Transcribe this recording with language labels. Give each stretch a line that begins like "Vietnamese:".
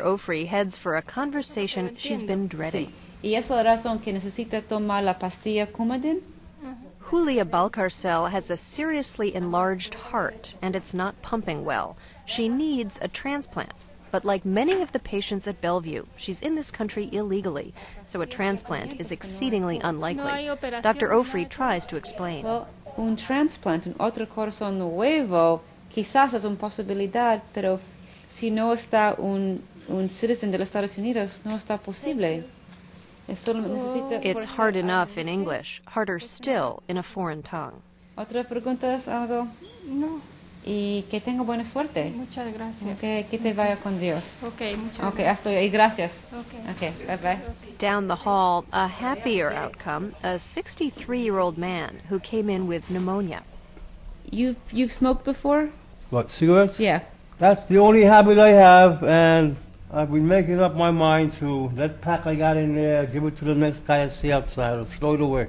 English: Ofri heads for a conversation she's been dreading.
Spanish: Sí. ¿Y es la razón que necesita tomar la pastilla Coumadin?
English: Julia Balcarcel has a seriously enlarged heart, and it's not pumping well. She needs a transplant. But like many of the patients at Bellevue, she's in this country illegally, so a transplant is exceedingly unlikely. Dr. Ofri tries to explain.
Spanish: Well, un transplant, un otro corazón nuevo, quizás es una posibilidad, pero si no está un citizen de los Estados Unidos, no está posible.
English: It's hard enough in English, harder still in a foreign tongue.
Spanish: ¿Otra pregunta es algo? No. Y que tenga buena suerte. Muchas gracias. Okay, que te vaya con Dios. Okay, muchas gracias. Okay, hasta y gracias.
English: Okay. Okay, bye-bye. Down the hall, a happier outcome, a 63-year-old man who came in with pneumonia. You've smoked before? What, cigarettes? Yeah. That's the only habit I have, and I've been making up my mind to that pack I got in there, give it to the next guy I see outside, or throw it away.